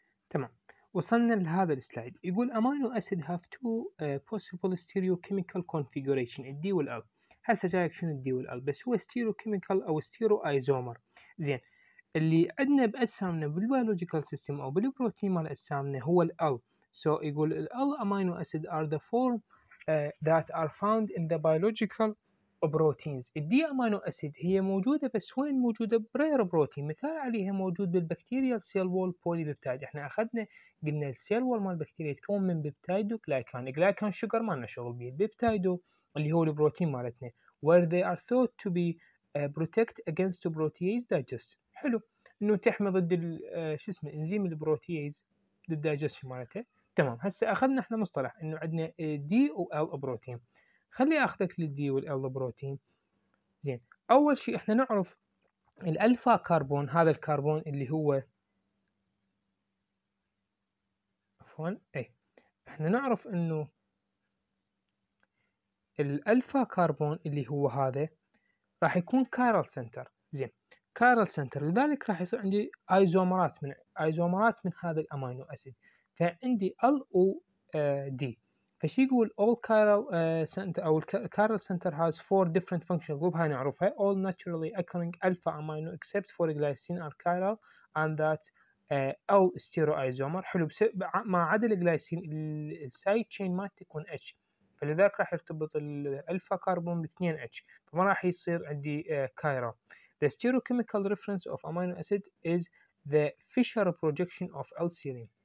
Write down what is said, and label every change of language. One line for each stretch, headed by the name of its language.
Arabic: تمام، وصلنا لهذا السلايد. يقول
English: amino acid have two possible stereo chemical configuration,
Arabic: الدي والال. هسه جايك شنو الدي والال؟ بس هو ستيريو كيميكال او ستيرو ايزومر. زين، اللي عندنا بأجسامنا بالبيولوجيكال سيستم أو بالبروتين مال أجسامنا هو الـ L،
English: So
Arabic: يقول
English: all amino acids are the form that are found in the biological proteins.
Arabic: الدي أمينو أسيد هي موجودة بس وين موجودة؟ برير بروتين. مثال عليها موجود بالبكتيريا السيل وول بولي بيبتايد. احنا أخذنا قلنا السيل وول مال البكتيريا يتكون من بيبتايد وغلايكان. غلايكان شكر ما لنا شغل بيه. البيبتايد اللي هو البروتين مالتنا
English: where they are thought to be protect against protease digestion.
Arabic: حلو انه تحمي ضد شو اسمه انزيم البروتيز ضد الدايجستشن مالته. تمام هسه اخذنا احنا مصطلح انه عندنا دي وال بروتين. خلي اخذك للدي والال بروتين. زين اول شيء احنا نعرف الالفا كربون. هذا الكربون اللي هو احنا نعرف انه الالفا كربون اللي هو هذا راح يكون كايرال سنتر. زين كايرال سنتر لذلك راح يصير عندي ايزومرات من هذا الامينو اسيد. فعندي ال او دي فشي يقول
English: all chiral center أو chiral center has four different functional group.
Arabic: هاي نعرفها
English: all naturally occurring alpha amino except for glycine are chiral and that all stereoisomer.
Arabic: حلو ما عدا الجلايسين السايد تشين ما تكون H فلذلك راح يرتبط الالفا كربون باثنين H فما راح يصير عندي chiral.
English: The stereochemical reference of amino acid is the Fischer projection of L-serine.